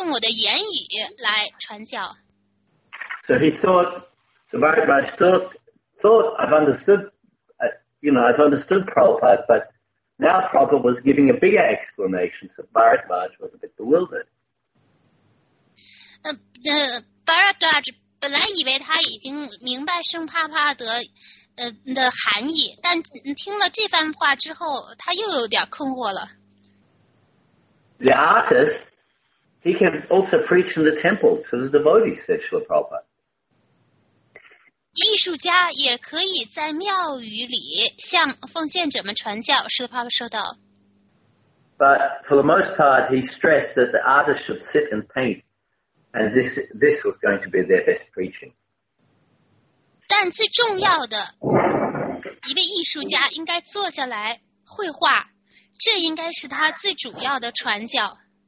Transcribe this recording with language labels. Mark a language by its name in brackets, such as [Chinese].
[Chinese] 听到这番话，这个奉献者又感到迷惑了。如果是用言语来传教服务Krishna的话，那也许我不应该去作画，我应该去旅行传教，用我的言语来传教。 [English] So he thought, I've understood, you know, I've understood Prabhupada, but now Prabhupada was giving a bigger explanation, so Bharadvaj was a bit bewildered. [Chinese] Bharadwaj 本来以为他已经明白圣帕帕德的含义，但听了这番话之后他又有点困惑了。 [English] The artist, he can also preach in the temple to the devotees, said Srila Prabhupada. [Chinese] 艺术家也可以在庙宇里向奉献者们传教，释迦牟尼说道。 [English] But for the most part, he stressed that the artist should sit and paint, and this was going to be their best preaching. [Chinese] 但最重要的，一位艺术家应该坐下来绘画，这应该是他最主要的传教。